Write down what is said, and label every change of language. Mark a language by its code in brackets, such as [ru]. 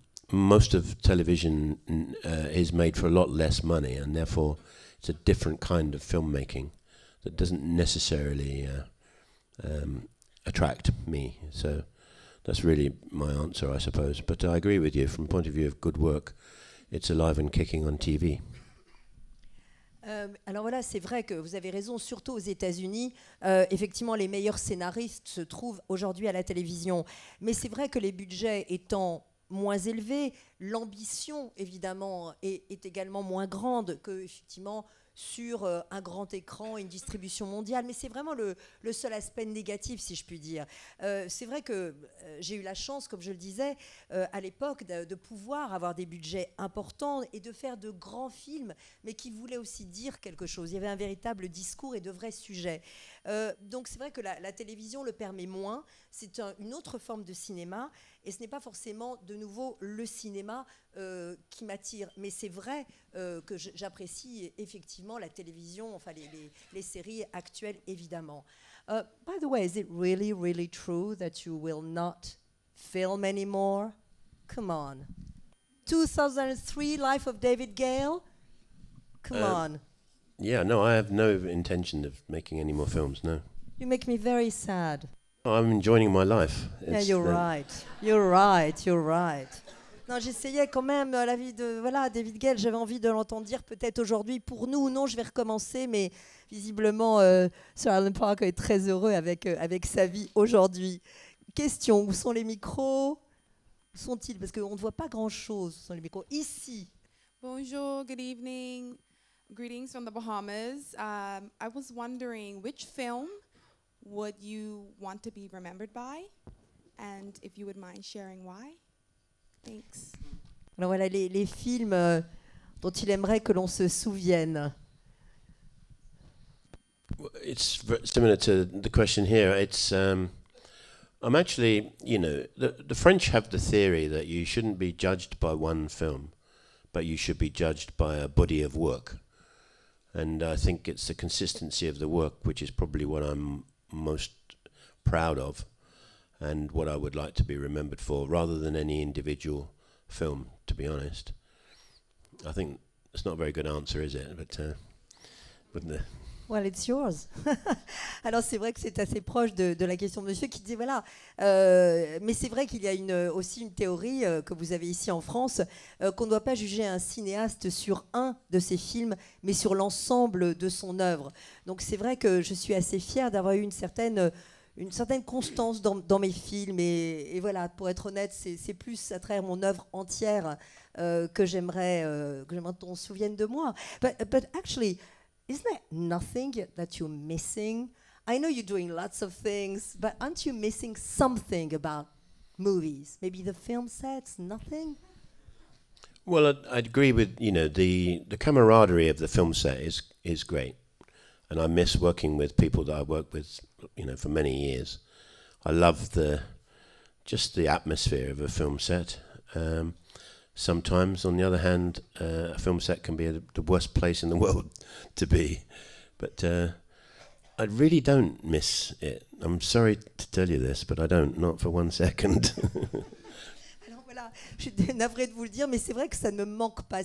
[en] Most of television is made for a lot less money, and therefore it's a different kind of filmmaking that doesn't necessarily attract me. So that's really my answer, I suppose. But I agree with you. From the point of view of good work, it's alive and kicking on TV. [fr] Alors voilà, c'est vrai que vous avez raison, surtout aux États-Unis, effectivement, les meilleurs scénaristes se trouvent aujourd'hui à la télévision. Mais c'est vrai que les budgets étant moins élevés, l'ambition, évidemment, est également moins grande que, effectivement, sur un grand écran, une distribution mondiale. Mais c'est vraiment le seul aspect négatif, si je puis dire. C'est vrai que j'ai eu la chance, comme je le disais, à l'époque, de pouvoir avoir des budgets importants et de faire de grands films, mais qui voulaient aussi dire quelque chose. Il y avait un véritable discours et de vrais sujets. Donc c'est vrai que la télévision le permet moins. C'est une autre forme de cinéma. Et ce n'est pas forcément, de nouveau, le cinéma qui m'attire. Mais c'est vrai que j'apprécie effectivement la télévision, enfin les séries actuelles, évidemment. [en] By the way, is it really, really true that you will not film anymore? Come on. 2003, Life of David Gale? Come on. Yeah, no, I have no intention of making any more films, no. You make me very sad. I'm enjoying my life. Yeah, you're right. [fr] Non, j'essayais quand même la vie de voilà David Gale. J'avais envie de l'entendre dire peut-être aujourd'hui pour nous ou non. Je vais recommencer, mais visiblement, Sir Alan Parker est très heureux avec sa vie aujourd'hui. Question, où sont les micros? Où sont-ils? Parce qu'on ne voit pas grand-chose. Où sont les micros? Ici. [en] Bonjour. Good evening. Greetings from the Bahamas. I was wondering which film would you want to be remembered by, and if you would mind sharing why? Thanks. [fr] Alors voilà les films dont il aimerait que l'on se souvienne. [en] Well, it's similar to the question here. It's I'm actually, you know, the French have the theory that you shouldn't be judged by one film, but you should be judged by a body of work, and I think it's the consistency of the work which is probably what I'm most proud of and what I would like to be remembered for rather than any individual film, to be honest. I think it's not a very good answer, is it? But Well, it's yours. [fr] Alors, c'est vrai que c'est assez proche de la question de monsieur qui dit, voilà. Mais c'est vrai qu'il y a aussi une théorie que vous avez ici en France, qu'on ne doit pas juger un cinéaste sur un de ses films, mais sur l'ensemble de son œuvre. Donc, c'est vrai que je suis assez fière d'avoir eu une certaine constance dans mes films. Et voilà, pour être honnête, c'est plus à travers mon œuvre entière que j'aimerais qu'on se souvienne de moi. [en] But actually, isn't there nothing that you're missing? I know you're doing lots of things, but aren't you missing something about movies? Maybe the film sets, nothing? Well, I'd agree with, you know, the camaraderie of the film set is great. And I miss working with people that I worked with, you know, for many years. I love just the atmosphere of a film set. Sometimes, on the other hand, a film set can be the worst place in the world to be. But I really don't miss it. I'm sorry to tell you this, but I don't, not for one second. [fr] Alors voilà, je suis navrée de vous le dire, mais c'est vrai que ça ne me manque pas.